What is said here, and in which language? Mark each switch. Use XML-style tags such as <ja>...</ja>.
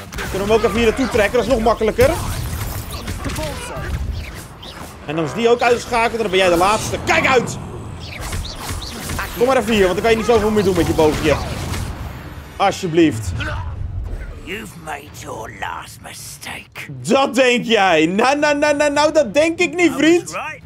<nl>Kunnen we hem ook even hier naartoe trekken. Dat is nog makkelijker. En dan is die ook uitgeschakeld. En dan ben jij de laatste. Kijk uit! Kom maar even hier, want dan kan je niet zoveel meer doen met je boogje. Alsjeblieft.</nl> <en>You've made your last mistake.</en> <nl>Dat denk jij. Nou, dat denk ik niet, vriend.</nl>